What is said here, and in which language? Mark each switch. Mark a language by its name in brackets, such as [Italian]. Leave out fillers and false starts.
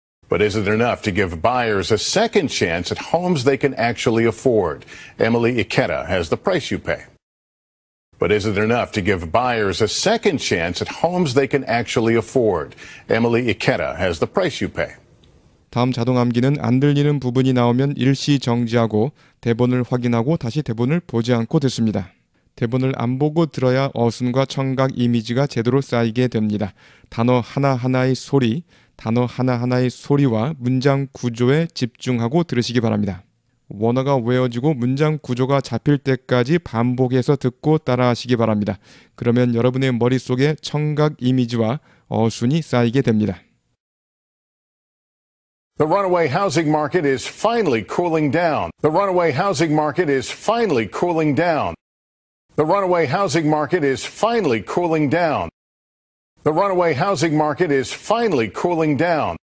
[English] But is it enough to give buyers a second chance at homes they can actually afford? Emily Ikeda has the price you pay. But is it enough to give buyers a second chance at homes they can actually afford? Emily Ikeda has the price you pay. [Korean] 다음 자동 암기는 안 들리는 부분이 나오면 일시 정지하고 대본을 확인하고 다시 대본을 보지 않고 듣습니다. 대본을 안 보고 들어야 어순과 청각 이미지가 제대로 쌓이게 됩니다. 단어 하나하나의 소리, 단어 하나하나의 소리와 문장 구조에 집중하고 들으시기 바랍니다. 원어가 외워지고 문장 구조가 잡힐 때까지 반복해서 듣고 따라하시기 바랍니다. 그러면 여러분의 머릿속에 청각 이미지와 어순이 쌓이게 됩니다. [English] The runaway housing market is finally cooling down. The runaway housing market is finally cooling down. The runaway housing market is finally cooling down. The runaway housing market is finally cooling down.